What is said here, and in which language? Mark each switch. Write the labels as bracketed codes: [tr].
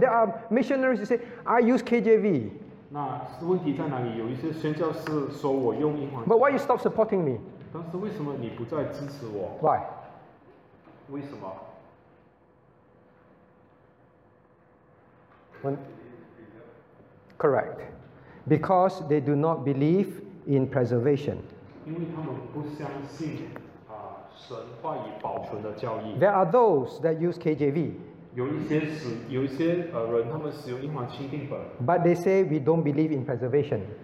[en] There are missionaries who say, I use KJV. [zh] 那问题在哪里?有一些宣教士说我用英文, [en] but why you stop supporting me? [zh] 但是为什么你不再支持我? [en] Why? [zh] 为什么? [en] When, correct. Because they do not believe in preservation. There are those that use KJV. [zh] 有一些人他们使用英皇钦定本, [en] but they say we don't believe in preservation.